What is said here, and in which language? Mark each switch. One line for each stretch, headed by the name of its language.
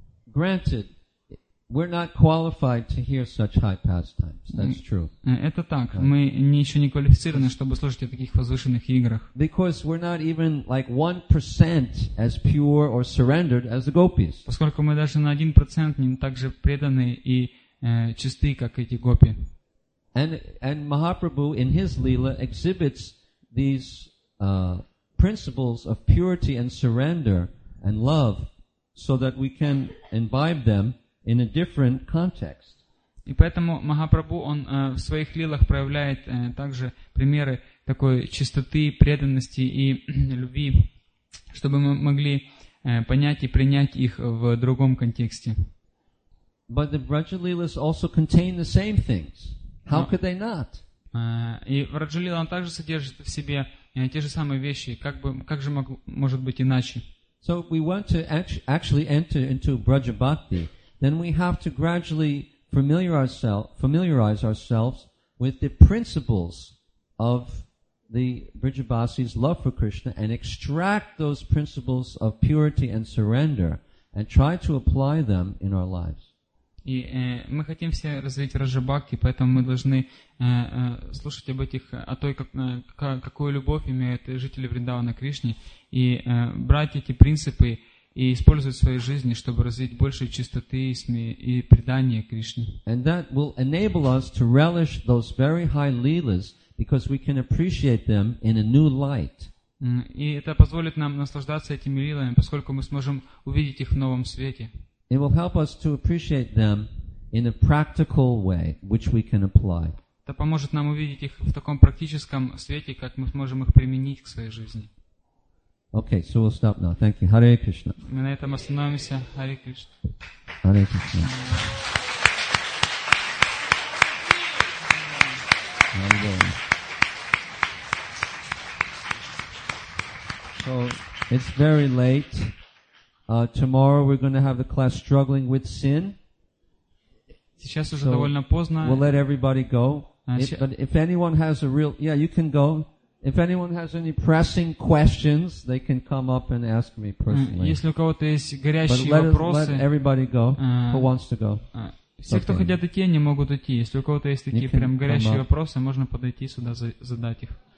English: Granted, we're not qualified to hear such high pastimes. That's true.
Russian: Это так. Мы еще не квалифицированы, чтобы слушать о таких возвышенных играх.
English: Because we're not even like 1% as pure or surrendered as the gopis.
Russian: Поскольку мы даже на 1% не так же преданы и чисты, как эти гопи.
English: And Mahaprabhu in his lila exhibits these principles of purity and surrender and love, so that we can imbibe them in a different context.
Russian: И поэтому Махапрабху, он в своих лилах проявляет также примеры такой чистоты, преданности и любви, чтобы мы могли понять и принять их в другом контексте.
English: But the Brajalilas also contain the same things. How could they not?
Russian: И Брajalila, он также содержит в себе те же самые вещи. Как же может быть иначе?
English: So we want to actually enter into Braja Bhakti, then we have to gradually familiarize ourselves with the principles of the Vrijabhasi's love for Krishna and extract those principles of purity and surrender and try to apply them in our lives.
Russian: И мы хотим все развить Раджа-бхакти, поэтому мы должны слушать об этих, о той, какую любовь имеют жители Вриндавана Кришне, и брать эти принципы и использовать в своей жизни, чтобы развить больше чистоты и предания Кришне.
English: And that will enable us to relish those very high lilas, because we can appreciate them in a new light.
Russian: И это позволит нам наслаждаться этими лилами, поскольку мы сможем увидеть их в новом свете.
English: It will help us to appreciate them in a practical way, which we can apply.
Russian: Это поможет нам увидеть их в таком практическом свете, как мы сможем их применить к своей жизни.
English: Okay, so we'll stop now. Thank you. Hare Krishna.
Russian: Мы на этом остановимся. Hare Krishna.
Sanskrit: Hare Krishna.
English: So it's very late. Tomorrow we're going to have the class Struggling with Sin.
Russian: Сейчас уже довольно поздно.
English: We'll let everybody go. But if anyone has a real, yeah, you can go. If anyone has any pressing questions, they can come up and ask me personally.
Russian: Если у кого-то есть горящие вопросы,
English: let everybody go who wants to go.
Russian: Все, кто хотят идти, они могут идти. Если у кого-то есть такие прям горящие вопросы, можно подойти сюда задать их.